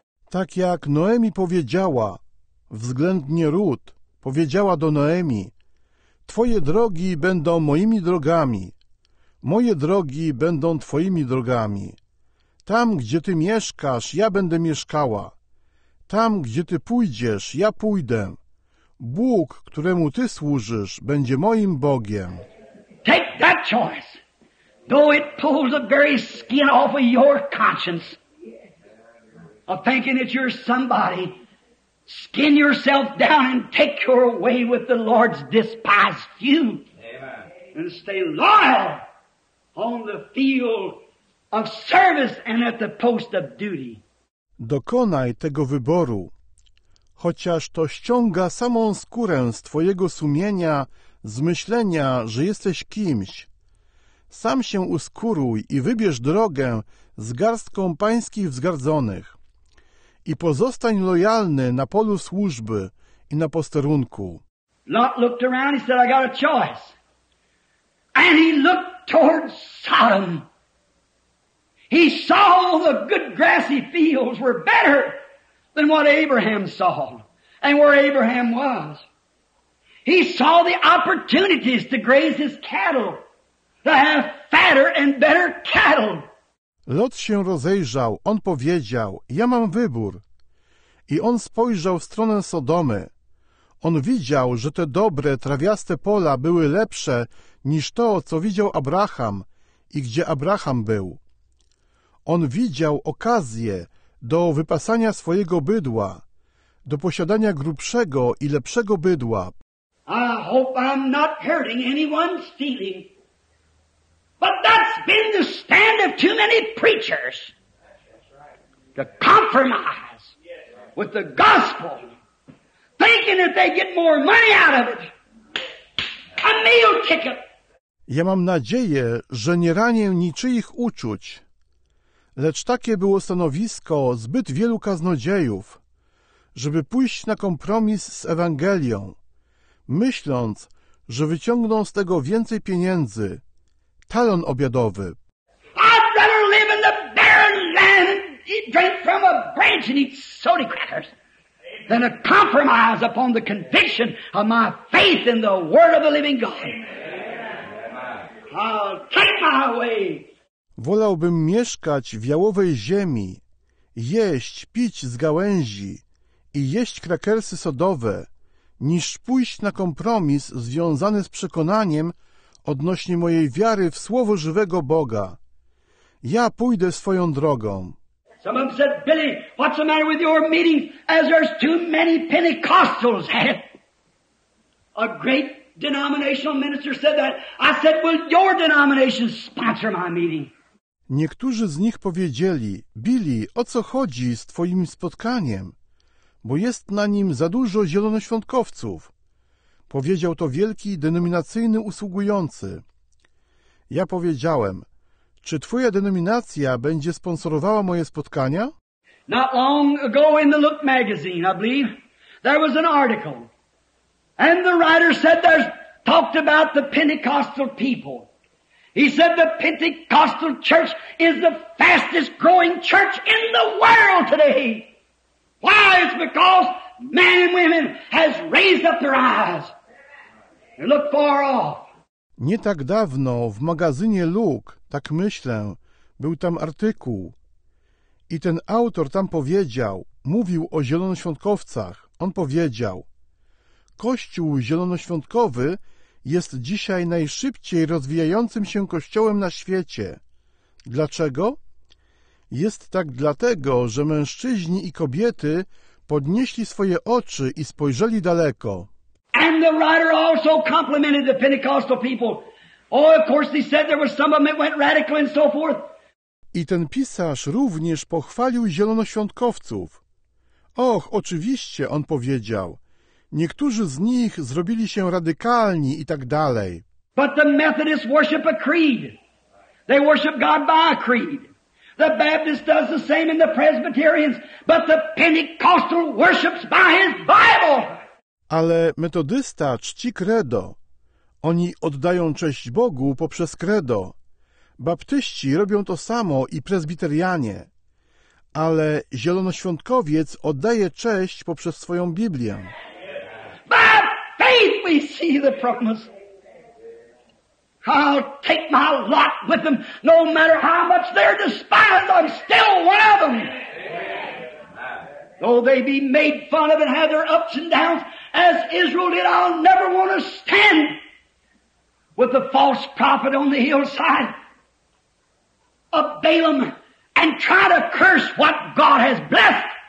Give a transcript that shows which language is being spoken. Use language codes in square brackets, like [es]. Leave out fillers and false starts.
[pl] Tak jak Noemi powiedziała, względnie Ruth powiedziała do Noemi, twoje drogi będą moimi drogami. Moje drogi będą Twoimi drogami. Tam, gdzie Ty mieszkasz, ja będę mieszkała. Tam, gdzie Ty pójdziesz, ja pójdę. Bóg, któremu Ty służysz, będzie moim Bogiem. [en] Take that choice, though it pulls the very skin off of your conscience, of thinking that you're somebody. Skin yourself down and take your way with the Lord's despised few. Amen. And stay loyal on the field of service and at the post of duty. [pl] Dokonaj tego wyboru. Chociaż to ściąga samą skórę z Twojego sumienia, z myślenia, że jesteś kimś. Sam się uskuruj i wybierz drogę z garstką pańskich wzgardzonych. I pozostań lojalny na polu służby i na posterunku. [en] Lot looked around, he said, I got a choice. And he looked towards Sodom. He saw the good grassy fields were better than what Abraham saw and where Abraham was. He saw the opportunities to graze his cattle, to have fatter and better cattle. [pl] Lot się rozejrzał, on powiedział, ja mam wybór. I on spojrzał w stronę Sodomy. On widział, że te dobre, trawiaste pola były lepsze niż to, co widział Abraham i gdzie Abraham był. On widział okazję do wypasania swojego bydła, do posiadania grubszego i lepszego bydła. [en] I hope I'm not hurting anyone's feeling, but that's been the stand of too many preachers. The compromise with the gospel, thinking that they get more money out of it, a meal ticket. [pl] Ja mam nadzieję, że nie ranię niczyich uczuć, lecz takie było stanowisko zbyt wielu kaznodziejów, żeby pójść na kompromis z Ewangelią, myśląc, że wyciągną z tego więcej pieniędzy, talon obiadowy. [en] I'd rather live in the barren land. He'd drink from a branch and eat soda crackers than a compromise upon the conviction of my faith in the Word of the Living God. I'll take my way. [pl] Wolałbym mieszkać w jałowej ziemi, jeść, pić z gałęzi i jeść krakersy sodowe, niż pójść na kompromis związany z przekonaniem odnośnie mojej wiary w Słowo żywego Boga. Ja pójdę swoją drogą. [en] Some of them said, Billy, what's the matter with your meeting? As there's too many Pentecostals at it. A great denominational minister said that. I said, will your denomination sponsor my meeting? [pl] Niektórzy z nich powiedzieli, Billy, o co chodzi z twoim spotkaniem? Bo jest na nim za dużo zielonoświątkowców. Powiedział to wielki denominacyjny usługujący. Ja powiedziałem, czy twoja denominacja będzie sponsorowała moje spotkania? [en] Not long ago in the Look magazine, I believe, there was an article. And the writer said there's talked about the Pentecostal people. He said the Pentecostal church is the fastest growing church in the world today. Why? It's because men and women has raised up their eyes and look far off. [pl] Nie tak dawno w magazynie Look, tak myślę, był tam artykuł i ten autor tam powiedział, mówił o zielonoświątkowcach, on powiedział, Kościół zielonoświątkowy jest dzisiaj najszybciej rozwijającym się kościołem na świecie. Dlaczego? Jest tak dlatego, że mężczyźni i kobiety podnieśli swoje oczy i spojrzeli daleko. [en] And the writer also complimented the Pentecostal people. Oh, of course, he said there was some of them that went radical and so forth. [pl] I ten pisarz również pochwalił zielonoświątkowców. Och, oczywiście, on powiedział. Niektórzy z nich zrobili się radykalni i tak dalej. [en] But the Methodists worship a creed. They worship God by a creed. The Baptist does the same in the Presbyterians. But the Pentecostal worships by his Bible. [pl] Ale metodysta czci credo. Oni oddają cześć Bogu poprzez credo. Baptyści robią to samo i prezbiterianie. Ale zielonoświątkowiec oddaje cześć poprzez swoją Biblię. [en] By faith we see the promise. I'll take my lot with them. No matter how much they're despised, I'm still one of them. Though they be made fun of and have their ups and downs, as Israel did, I'll never want to stand with the false prophet on the hillside of Balaam and try to curse what God has blessed.